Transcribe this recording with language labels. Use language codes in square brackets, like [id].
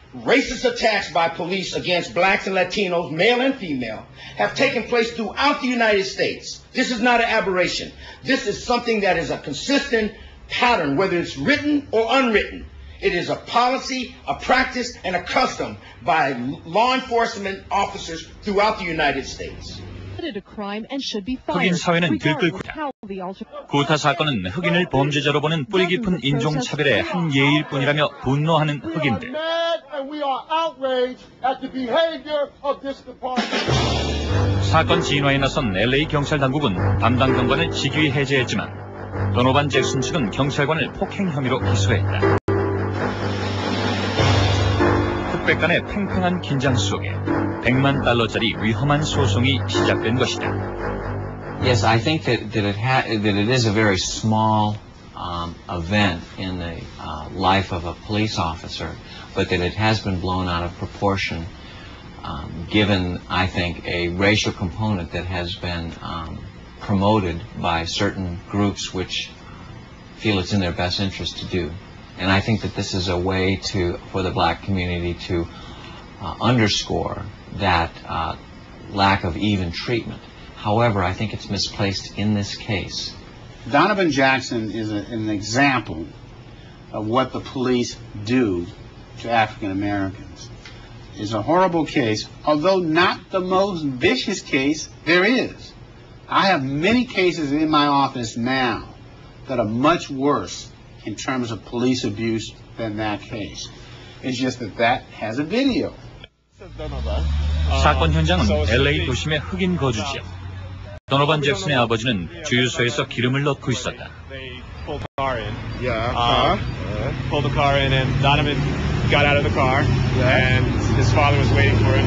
[en] Racist attacks by police against blacks and Latinos, male and female, have taken place throughout the United States. This is not an aberration. This is something that is a consistent pattern, whether it's written or unwritten. It is a policy, a practice, and a custom by law enforcement officers throughout the United States. [ko] 흑인 사회는 들끓고 있다. 구타 사건은 흑인을 범죄자로 보는 뿌리 깊은 인종차별의 한 예일 뿐이라며 분노하는 흑인들. 사건 진화에 나선 LA 경찰 당국은 담당 경관을 직위 해제했지만 도노반 잭슨 측은 경찰관을 폭행 혐의로 기소했다. 흑백 간의 팽팽한 긴장 속에 100만 달러짜리 위험한 소송이 시작된 것이다. [en] Yes, I think that it is a very small event in the life of a police officer, but that it has been blown out of proportion given, I think, a racial component that has been promoted by certain groups which feel it's in their best interest to do. And I think that this is a way to for the black community to underscore that lack of even treatment. However, I think it's misplaced in this case. Donovan Jackson is an example of what the police do to African Americans. It's a horrible case, although not the most vicious case there is. I have many cases in my office now that are much worse in terms of police abuse than that case. It's just that that has a video. [ko] 사건 현장은 LA 도심의 흑인 거주지역. 도노반 잭슨의 아버지는 주유소에서 기름을 넣고 있었다. [en] Pulled the car in and Donovan got out of the car and his father was waiting for him.